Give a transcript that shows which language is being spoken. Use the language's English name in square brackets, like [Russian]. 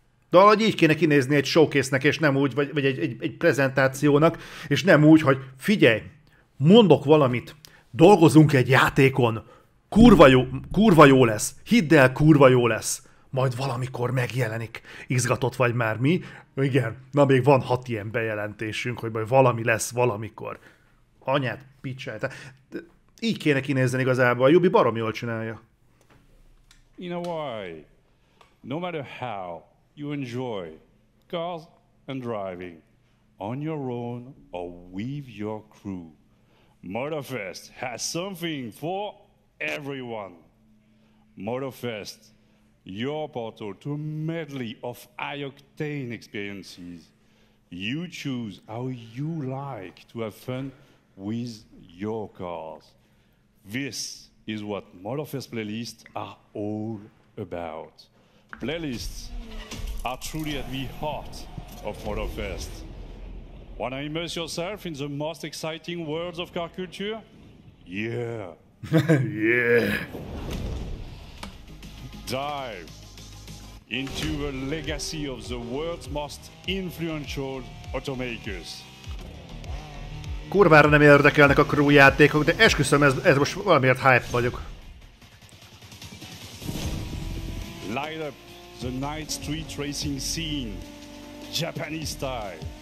[Hungarian] De valahogy így kéne kinézni egy showcase-nek, és nem úgy, vagy egy prezentációnak, és nem úgy, hogy figyelj, mondok valamit, dolgozunk egy játékon, kurva jó lesz, hidd el, kurva jó lesz, majd valamikor megjelenik, izgatott vagy már mi, igen, na még van 6 ilyen bejelentésünk, hogy majd valami lesz valamikor. Anyád, picsáj, így kéne kinézni igazából, a Jubi barom jól csinálja. [English] In a way, no matter how you enjoy cars and driving on your own or with your crew, Motorfest has something for everyone. Motorfest, your portal to a medley of high-octane experiences. You choose how you like to have fun with your cars. This is what Motorfest playlists are all about. Playlists are truly at the heart of Motorfest. Want to immerse yourself in the most exciting worlds of car culture? Yeah. Yeah. Dive into the legacy of the world's most influential automakers. [Hungarian] Kurvára nem érdekelnek a crew játékok, de esküszöm, ez most valamiért hype vagyok. [English] Light up the night street racing scene, Japanese style.